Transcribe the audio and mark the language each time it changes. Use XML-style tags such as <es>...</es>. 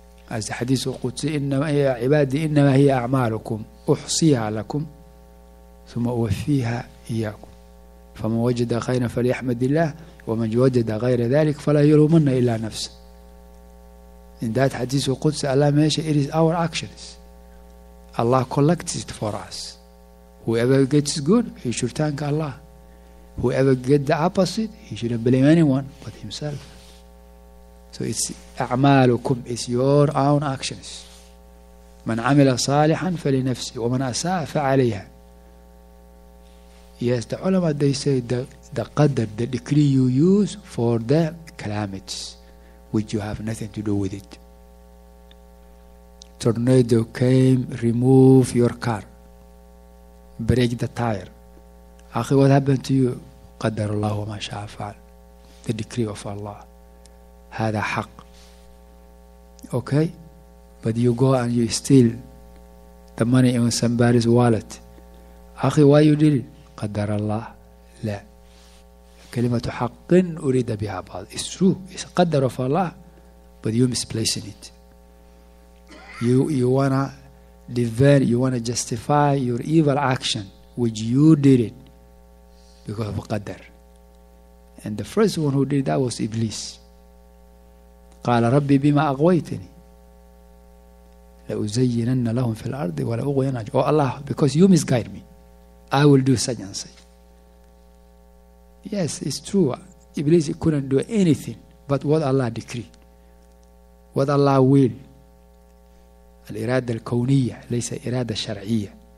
<en>As the hadith of Qudsi,</en> <ar>إِنَّمَا عِبَادِي إِنَّمَا هِيَ أَعْمَالُكُمْ أُحْصِيهَا لَكُمْ ثُمَّ أُوَفِّيهَا إِيَّاكُمْ فَمَنْ وَجَدَ خَيْرًا فَلْيَحْمَدِ اللَّهِ ومن وجد غير ذلك فلا يلومن الا نفسه.</ar> <en>In that hadith of Qudsi, Allah mentioned it is our actions. Allah collects it for us. Whoever gets good, he should thank Allah. Whoever gets the opposite, he shouldn't blame anyone but himself. So it's</en> <ar>أعمالكم,</ar> <en>it's your own actions.</en> <ar>من عمل صالحا فلنفسه ومن أساء فعليها.</ar> <en>Yes, the ulama, they say the qadr, the decree you use for the calamities, which you have nothing to do with it. Tornado came, remove your car. Break the tire. Akhi, what happened to you?</en> <ar>قدر الله وما شاء فعل.</ar> <en>The decree of Allah.</en> <ar>هذا حق.</ar> <en>Okay? But you go and you steal the money in somebody's wallet. Akhi, why you did it? قدر الله. لا. كلمة حق أريد بها بعض. It's true. It's a قدر of Allah. But you misplacing it. You wanna defend, you wanna justify your evil action, which you did it because of Qadr. And the first one who did that was Iblis.</en> <ar>قال ربي بما أغويتني لأزينن لهم في الأرض ولا أغوين أجل.</ar> <en>Oh Allah, because you misguide me, I will do such and such. Yes, it's true. Iblis couldn't do anything but what Allah decreed, what Allah will.</en> <ar>الإرادة الكونية ليس إرادة شرعية.</ar>